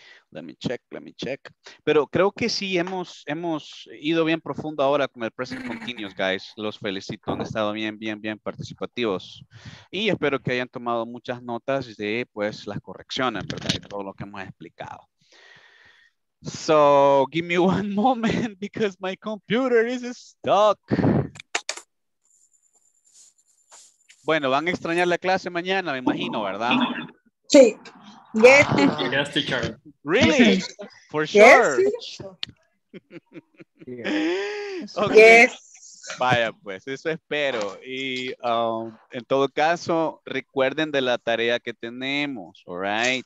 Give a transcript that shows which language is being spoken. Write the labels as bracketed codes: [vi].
[en] Let me check. [es] Pero creo que sí hemos ido bien profundo ahora con el present continuous, guys. Los felicito, han estado bien participativos. Y espero que hayan tomado muchas notas de, pues, las correcciones, ¿verdad? De todo lo que hemos explicado. [en] So, give me one moment because my computer is stuck. [es] Bueno, van a extrañar la clase mañana, me imagino, ¿verdad? Sí. [en] Yes, teacher. Really? For sure. Yes. Okay. Yes. [es] Vaya, pues, eso espero. Y en todo caso, recuerden de la tarea que tenemos, all right?